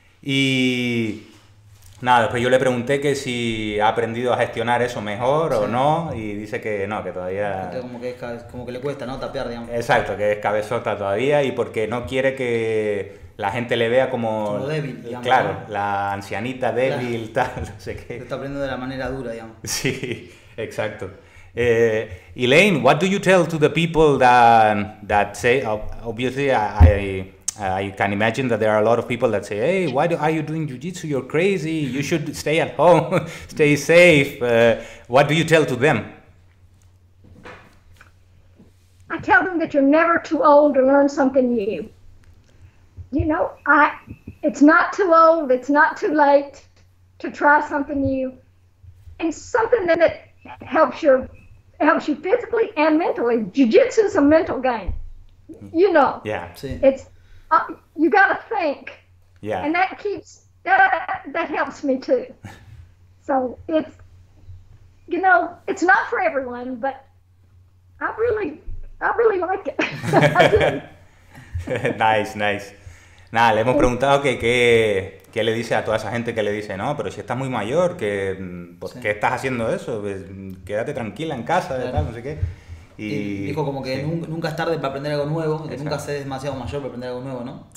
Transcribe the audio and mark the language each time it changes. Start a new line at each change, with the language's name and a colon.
Spanish: Y nada, después yo le pregunté que si ha aprendido a gestionar eso mejor, sí, o no. Y dice que no, que todavía. Como que le cuesta, ¿no? Tapear, digamos. Exacto, que es cabezota todavía y porque no quiere que la gente le vea como débil, digamos. Claro, la ancianita débil, claro. Tal, no sé qué. Se está aprendiendo de la manera dura, digamos. Sí, exacto.
English: Elaine, what do you tell to the people that say, obviously I can imagine that there are a lot of people that say, hey, why are you doing jiu-jitsu? You're crazy. You should stay at home, stay safe. What do you tell to them? I tell them that you're never too old to learn something new. You know, it's not too old, it's not too late to try something new. And something that it helps you physically and mentally. Jiu-jitsu is a mental game, you know. Yeah, it's you got to think. Yeah, and that keeps that helps me too. So it's, you know, it's not for everyone, but I really like it. Nice.
Spanish: Nada, le hemos preguntado que le dice a toda esa gente que le dice, no, pero si estás muy mayor, que, pues, sí. ¿Qué estás haciendo eso? Pues, quédate tranquila en casa, claro. Tal, no sé qué. Y dijo como que nunca es tarde para aprender algo nuevo, que nunca se es demasiado mayor para aprender algo nuevo, ¿no?